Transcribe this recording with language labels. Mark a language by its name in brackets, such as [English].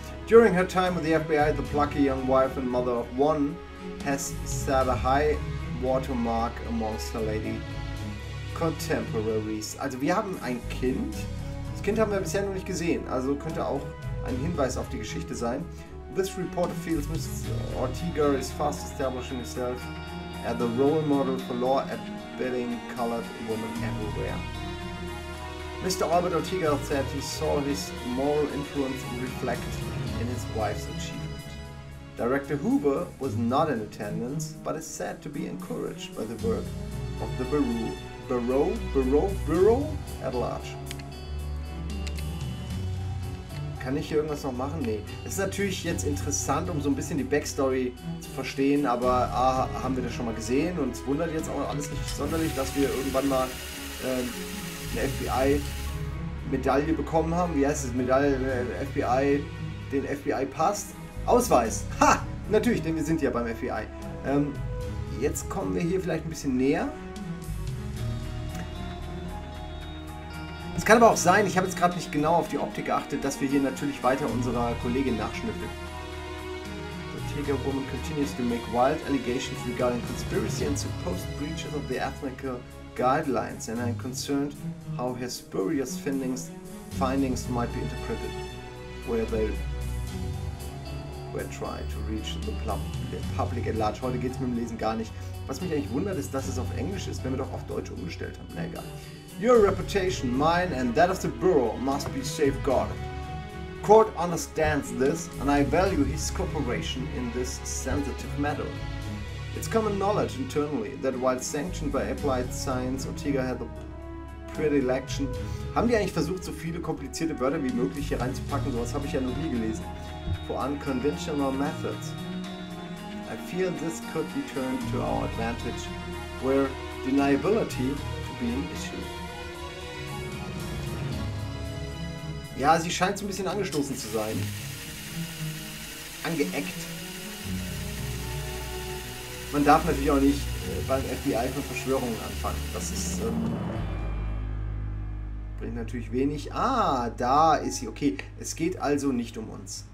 [English] During her time with the FBI, the plucky young wife and mother of one has set a high watermark amongst her lady contemporaries. [German] Also wir haben ein Kind. Das Kind haben wir bisher noch nicht gesehen. Also könnte auch ein Hinweis auf die Geschichte sein. [English] This reporter feels Mrs. Ortega is fast establishing herself as the role model for law-abiding colored women everywhere. Mr. Albert Ortega said he saw his moral influence reflect in his wife's achievement. Director Hoover was not in attendance, but is said to be encouraged by the work of the Bureau at large. [German] Kann ich hier irgendwas noch machen? Nee. Es ist natürlich jetzt interessant, um so ein bisschen die Backstory zu verstehen, aber haben wir das schon mal gesehen und es wundert jetzt auch alles nicht sonderlich, dass wir irgendwann mal eine FBI-Medaille bekommen haben. Wie heißt es? FBI, den FBI passt. Ausweis! Ha! Natürlich, denn wir sind ja beim FBI. Jetzt kommen wir hier vielleicht ein bisschen näher. Es kann aber auch sein, ich habe jetzt gerade nicht genau auf die Optik geachtet, dass wir hier natürlich weiter unserer Kollegin nachschnüffeln. [English] The Tiger Woman continues to make wild allegations regarding conspiracy and supposed breaches of the ethical guidelines. And I'm concerned how her spurious findings might be interpreted. Where they try to reach the public at large. [German] Heute geht es mit dem Lesen gar nicht. Was mich eigentlich wundert, ist, dass es auf Englisch ist, wenn wir doch auf Deutsch umgestellt haben. Na egal. [English] Your reputation, mine and that of the Bureau must be safeguarded. Court understands this and I value his cooperation in this sensitive matter. It's common knowledge internally that while sanctioned by Applied Science, Ortega had a predilection. [German] Haben die eigentlich versucht, so viele komplizierte Wörter wie möglich hier reinzupacken? Sowas habe ich ja noch nie gelesen. [English] For unconventional methods. I feel this could be turned to our advantage, where deniability to be an issue. [German] Ja, sie scheint so ein bisschen angestoßen zu sein. Angeeckt. Man darf natürlich auch nicht beim FBI von Verschwörungen anfangen. Das ist. Bringt natürlich wenig. Ah, da ist sie. Okay, es geht also nicht um uns.